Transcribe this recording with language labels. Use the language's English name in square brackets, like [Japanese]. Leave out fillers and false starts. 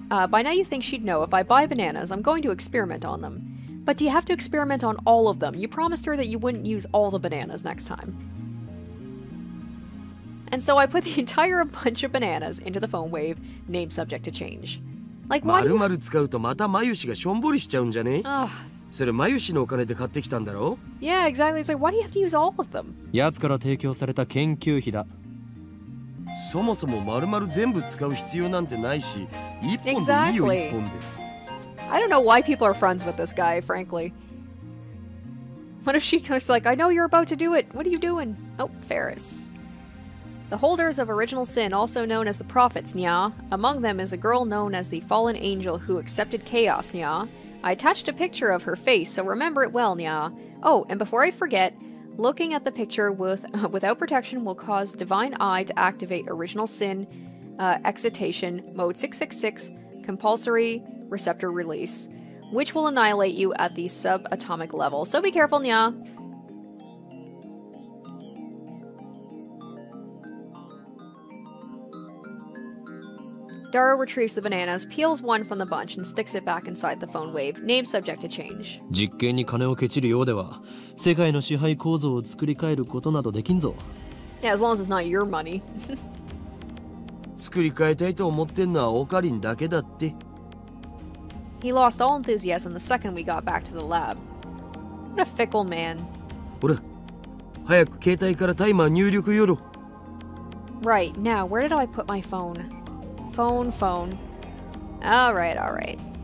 [English] By now you think she'd know if I buy bananas, I'm going to experiment on them. But do you have to experiment on all of them? You promised her that you wouldn't use all the bananas next time. And so I put the entire bunch of bananas into the phone wave, name subject to change. Like, why? [Japanese] 丸々使うとまたマユシがしょんぼりしちゃうんじゃね？それマユシのお金で買ってきたんだろ？ [English] Yeah, exactly. It's like, why do you have to use all of them? [Japanese] やつから提供された研究費だ。そもそも丸々全部使う必要なんてないし、一本でいいよ、一本で。 [English] I don't know why people are friends with this guy, frankly. What if she goes like, I know you're about to do it. What are you doing? Oh, Ferris. The holders of original sin, also known as the prophets, Nya. Among them is a girl known as the fallen angel who accepted chaos, Nya. I attached a picture of her face, so remember it well, Nya. Oh, and before I forget, looking at the picture without protection will cause divine eye to activate original sin, excitation, mode 666, compulsory... Receptor release, which will annihilate you at the subatomic level. So be careful, Nya. Daru retrieves the bananas, peels one from the bunch, and sticks it back inside the phone wave. Name subject to change. [Japanese] 実験に金をケチるようでは、世界の支配構造を作り変えることなどできんぞ。 [English] Yeah, as long as it's not your money. [Japanese] 作り変えたいと思ってんのはオカリンだけだって。 [English] He lost all enthusiasm the second we got back to the lab. What a fickle man. [Japanese] Ore, 早く携帯からタイマー入力よろ。 [English] Right, now, where did I put my phone? Phone. All right.